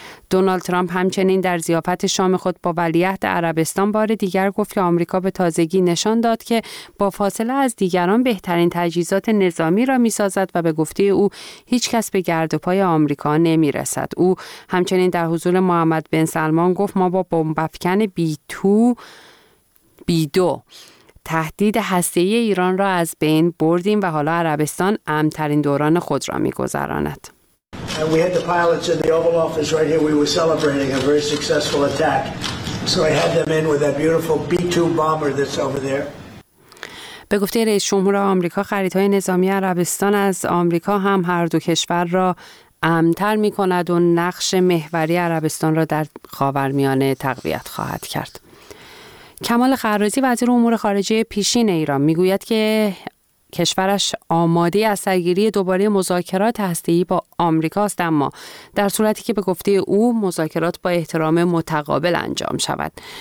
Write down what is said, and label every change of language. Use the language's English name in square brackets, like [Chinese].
[Persian] دونالد ترامپ همچنین در ضیافت شام خود با ولیعهد عربستان بار دیگر گفت که آمریکا به تازگی نشان داد که با فاصله از دیگران بهترین تجهیزات نظامی را می‌سازد و به گفته او هیچ کس به گرد و پای آمریکا نمی‌رسد. او همچنین در حضور محمد بن سلمان گفت ما با بمب‌افکن بی‌2 تهدید هسته‌ای ایران را از بین بردیم و حالا عربستان امن‌ترین دوران خود را می‌گذراند. [English] And we had the pilots in the Oval Office right here. We were celebrating a very successful attack. So I had them in with that beautiful B-2 bomber that's over there. [Persian] به گفته رئیس جمهور آمریکا، خریدهای نظامی عربستان از آمریکا هم هر دو کشور را امن‌تر می‌کند و نقش محوری عربستان را در خاورمیانه تقویت خواهد کرد. کمال خرازی، وزیر امور خارجه پیشین ایران، میگوید که کشورش آماده از سرگیری دوباره مذاکرات هسته‌ای با آمریکاست، اما در صورتی که به گفته او مذاکرات با احترام متقابل انجام شود.